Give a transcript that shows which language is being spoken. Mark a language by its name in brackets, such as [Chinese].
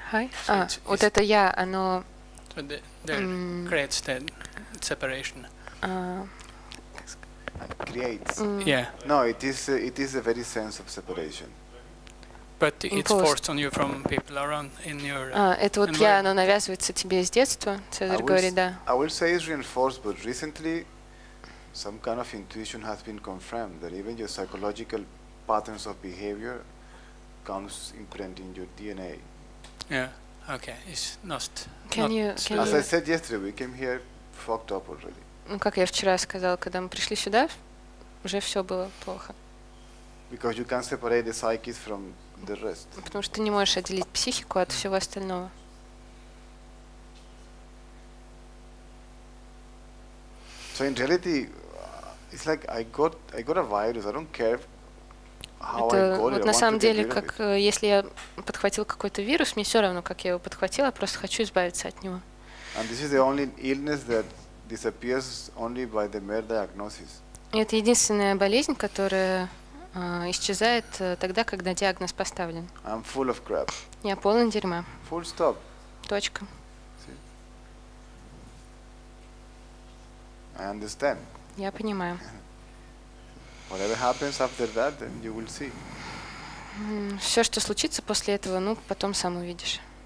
[English] Hi. So [Russian] вот это я, оно. [English] So the creates the separation. Creates. Mm. Yeah. No, it is the very sense of separation. But it's imposed. Forced on you from people around in your. [Russian] Это вот я, оно навязывается тебе с детства. Цезарь говорит, да. [English] I will say it's reinforced, but recently. Some kind of intuition has been confirmed that even your psychological patterns of behavior comes imprinted in your DNA. Yeah. Okay. It's not. Can you? As I said yesterday, we came here fucked up already. [Russian] Ну как я вчера сказал, когда мы пришли сюда, уже все было плохо. [English] Because you can't separate the psyche from the rest. [Russian] Потому что ты не можешь отделить психику от всего остального. [English] So in reality, it's like I got a virus. I don't care how [Russian] это [English] I got [Russian] вот [English] it. [Russian] На самом деле, как если я подхватил какой-то вирус, мне все равно, как я его подхватил, я просто хочу избавиться от него. [English] And this is the only illness that disappears only by the mere diagnosis. [Russian] Это единственная болезнь, которая исчезает тогда, когда диагноз поставлен. [English] I'm full of crap. [Russian] Я полон дерьма. [English] Full stop. [Russian] Точка. [English] I understand. [Russian] Я понимаю. [English] Whatever happens after that, then you will see. [Russian] Все, что случится после этого, ну, потом сам увидишь.